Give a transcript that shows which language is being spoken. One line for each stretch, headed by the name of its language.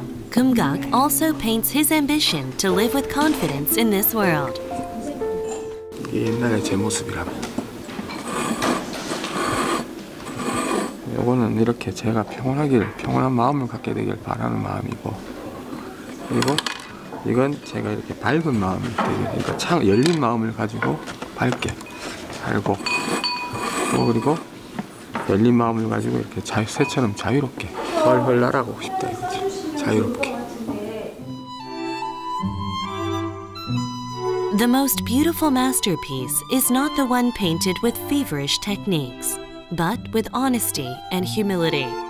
English: Geumgak also paints his ambition to live with confidence in this world.
Korean: 이게 옛날에 제 모습이라면 이거는 이렇게 제가 평온하길 평온한 마음을 갖게 되길 바라는 마음이고 그리고 이건 제가 이렇게 밝은 마음을 그러니까 창 열린 마음을 가지고 밝게 살고 또 그리고 열린 마음을 가지고 이렇게 새처럼 자유롭게 훨훨 날아가고 싶다 이거지 자유롭게
English: The most beautiful masterpiece is not the one painted with feverish techniques, but with honesty and humility.